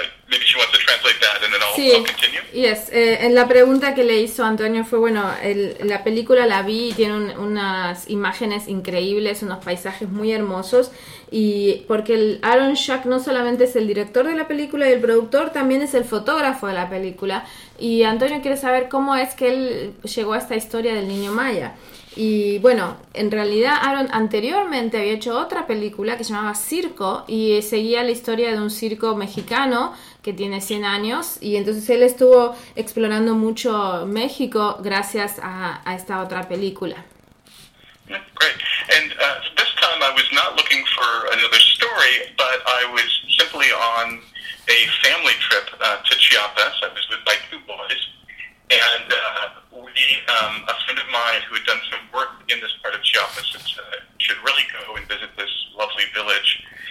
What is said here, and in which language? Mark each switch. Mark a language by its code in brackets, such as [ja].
[en] Maybe she wants to translate that, and then I'll continue. Yes. [es] En la pregunta que le hizo Antonio fue, bueno, la película la vi y tiene unas imágenes increíbles, unos paisajes muy hermosos. Y porque el Aaron Schock no solamente es el director de la película y el productor, también es el fotógrafo de la película. Y Antonio quiere saber cómo es que él llegó a esta historia del niño maya. Y bueno, en realidad Aaron anteriormente había hecho otra película que se llamaba Circo y seguía la historia de un circo mexicano que tiene 100 años. Y entonces él estuvo explorando mucho México gracias a esta otra película. [en] Great. And this time I was not looking for another story, but I was simply on a family trip to Chiapas. I was with my two boys, and a friend of mine who had done some work in this part of Chiapas should really go and visit this lovely village.